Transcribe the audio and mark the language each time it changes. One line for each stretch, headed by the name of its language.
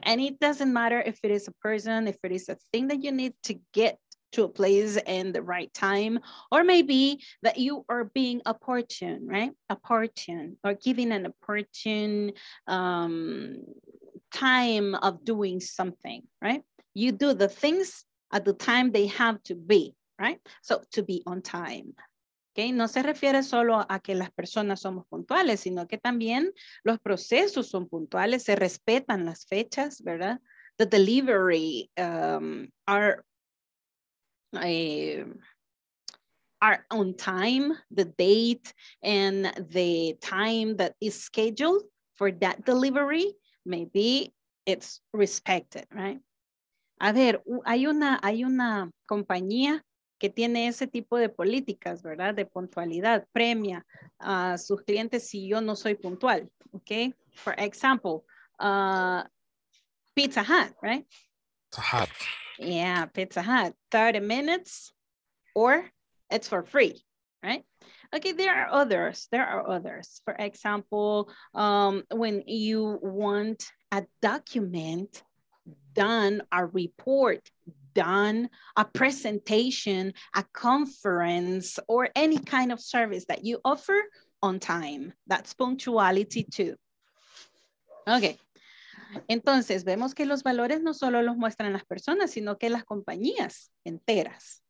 English: And it doesn't matter if it is a person, if it is a thing that you need to get to a place in the right time, or maybe that you are being opportune, right? Opportune, or giving an opportune time of doing something, right? You do the things at the time they have to be, right? So to be on time.
Spanish: Okay, no se refiere solo a que las personas somos puntuales, sino que también los procesos son puntuales, se respetan las fechas, ¿verdad?
English: The delivery are on time, the date and the time that is scheduled for that delivery, maybe it's respected, right?
Spanish: A ver, hay una compañía que tiene ese tipo de políticas, ¿verdad? De puntualidad, premia a sus clientes si yo no soy puntual, okay?
English: For example, Pizza Hut, right? Pizza Hut. Yeah, Pizza Hut, 30 minutes or it's for free, right? Okay, there are others. For example, when you want a document done, a report done, a presentation, a conference, or any kind of service that you offer on time. That's punctuality too. Okay.
Spanish: Entonces, vemos que los valores no solo los muestran las personas, sino que las compañías enteras.